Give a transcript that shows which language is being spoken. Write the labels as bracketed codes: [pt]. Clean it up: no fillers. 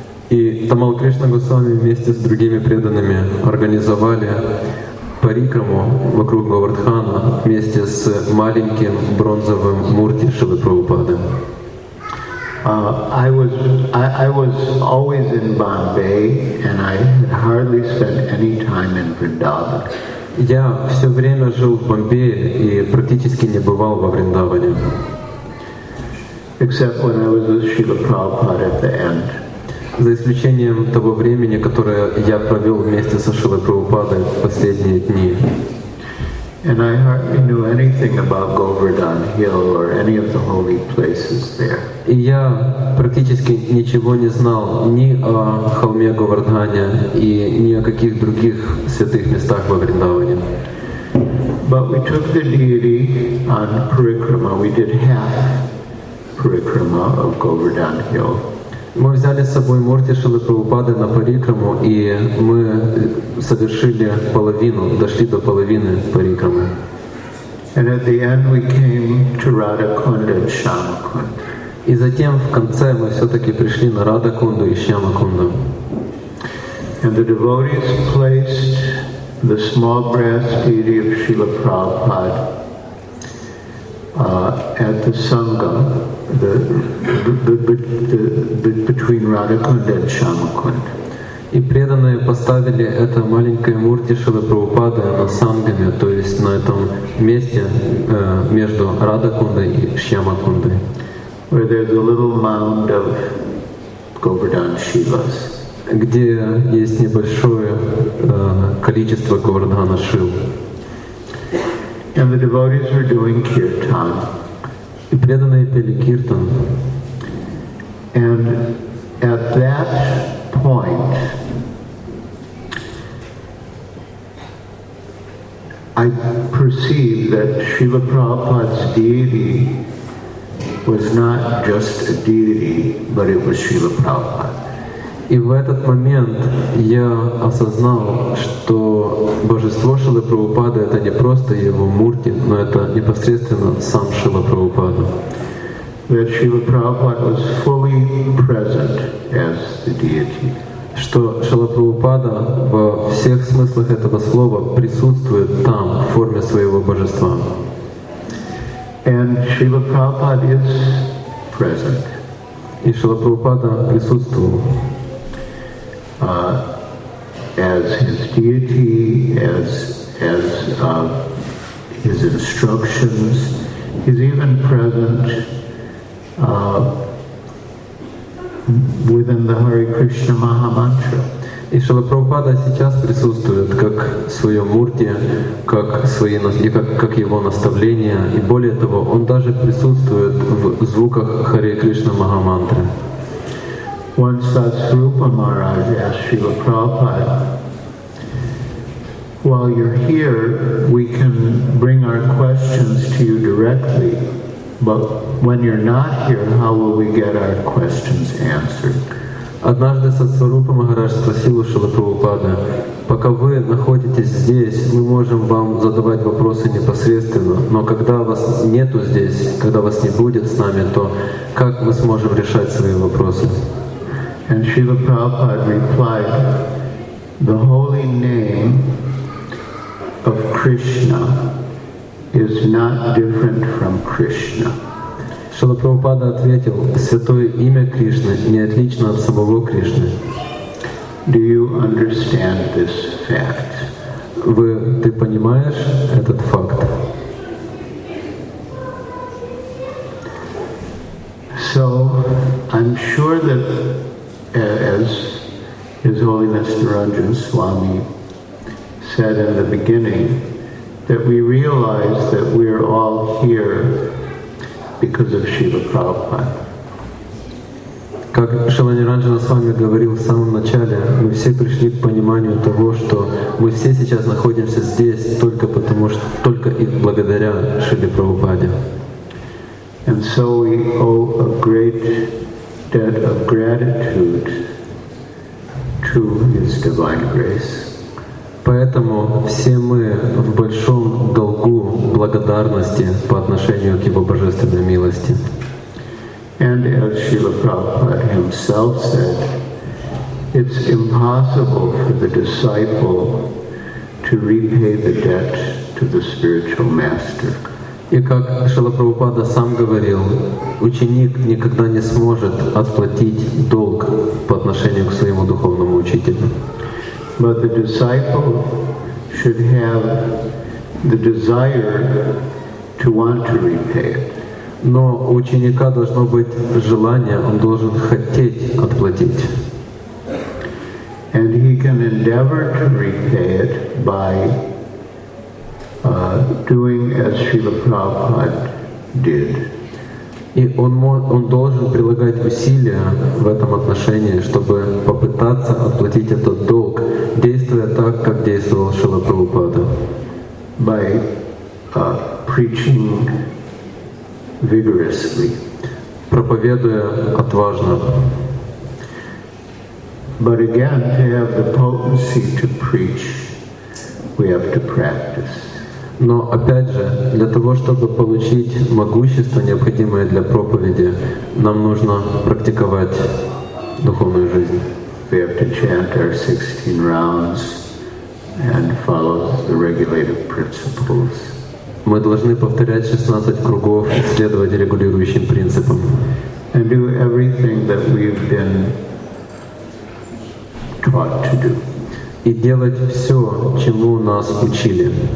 [ru] И Тамал Кришна Госвами вместе с другими преданными организовали парикраму вокруг Говардхана вместе с маленьким бронзовым мурти Шивы Прабхупады. [en] I was always in Bombay and I had hardly spent any time in Vrindavan. [ru] Я все время жил в Бомбее и практически не бывал во Вриндаване. [en] Except when I was with Srila Prabhupada at the end. [ru] За исключением того времени, которое я провел вместе со Шрилой Прабхупадой в последние дни. [en] And I hardly knew anything about Govardhan Hill or any of the holy places there. [ru] И я практически ничего не знал ни о холме Говардхане и ни о каких других святых местах во Вриндаване. [en] But we took the deity on parikrama. We did half parikrama of Govardhan Hill. [ru] Мы взяли с собой мурти Шрилы Прабхупады на парикраму, и мы совершили половину, дошли до половины парикрамы. [en] And at the end we came to Radhakunda and Shyamakunda. [ru] И затем в конце мы все-таки пришли на Радхакунду и Шьямакунду. [en] And the devotees placed the small brass deity of Srila Prabhupada at the Sangha, between Radhakunda and Shyamakunda. [ru] И преданные поставили это маленькое мурти Шрилы Прабхупады на Сангаме, то есть на этом месте между Радхакундой и Шьямакундой. [en] Where there's a little mound of Govardhan Shivas. [ru] Где есть небольшое количество Говардхана Шив. [en] And the devotees were doing kirtan. [ru] И преданные пели киртан. [en] And at that point, I perceived that Srila Prabhupada's deity was not just a deity, but it was Srila Prabhupada. [ru] И в этот момент я осознал, что божество Шрилы Прабхупады — это не просто его мурти, но это непосредственно сам Шрила Прабхупада. [en] That Srila Prabhupada was fully present as the deity. [ru] Что Шрила Прабхупада во всех смыслах этого слова присутствует там, в форме своего божества. [en] And Srila Prabhupada is present. [ru] И Шрила Прабхупада присутствовал. [en] As his deity, as his instructions, he's even present within the Hare Krishna Maha Mantra. [ru] И Шрила Прабхупада сейчас присутствует как свое мурти, как свои и как его наставления, и более того, он даже присутствует в звуках Хари Кришна Маха Мантры. [en] Once Satsarupa Maharaj asked Srila Prabhupada, while you're here, we can bring our questions to you directly, but when you're not here, how will we get our questions answered? [ru] Однажды Сатсварупа Махарадж спросил у Шрилы Прабхупады, пока вы находитесь здесь, мы можем вам задавать вопросы непосредственно, но когда вас нету здесь, когда вас не будет с нами, то как мы сможем решать свои вопросы? [en] And Srila Prabhupada replied, the holy name of Krishna is not different from Krishna. [ru] Шрила Прабхупада ответил: Святое имя Кришны не отлично от самого Кришны. [en] Do you understand this fact? [ru] Ты понимаешь этот факт? [en] So I'm sure that as His Holiness Niranjan Swami said in the beginning, that we realize that we are all here because of Srila Prabhupada. [ru] Как Шрила Ниранджана Свами говорил в самом начале, мы все пришли к пониманию того, что мы все сейчас находимся здесь только потому, что только и благодаря Шриле Прабхупаде. [en] And so we owe a great debt of gratitude to His divine grace. [ru] Поэтому все мы в большом долгу благодарности по отношению к Его божественной милости. [en] And as Srila Prabhupada himself said, it's impossible for the disciple to repay the debt to the spiritual master. [ru] И как Шрила Прабхупада сам говорил, ученик никогда не сможет отплатить долг по отношению к своему духовному учителю. [en] But the disciple should have the desire to want to repay it. [ru] Но у ученика должно быть желание, он должен хотеть отплатить. [en] And he can endeavor to repay it by doing as Srila Prabhupada did. [ru] И он должен прилагать усилия в этом отношении, чтобы попытаться отплатить этот долг, действуя так, как действовал Шрила Прабхупада. [en] By preaching vigorously. [ru] Проповедуя отважно. [en] But again, to have the potency to preach, we have to practice. [ru] Но опять же, для того, чтобы получить могущество, необходимое для проповеди, нам нужно практиковать духовную жизнь. [en] We have to chant our 16 rounds and follow the regulative principles. [ru] Мы должны повторять 16 кругов и следовать регулирующим принципам. [en] And do everything that we've been taught to do. [ru] И делать все, чему нас учили.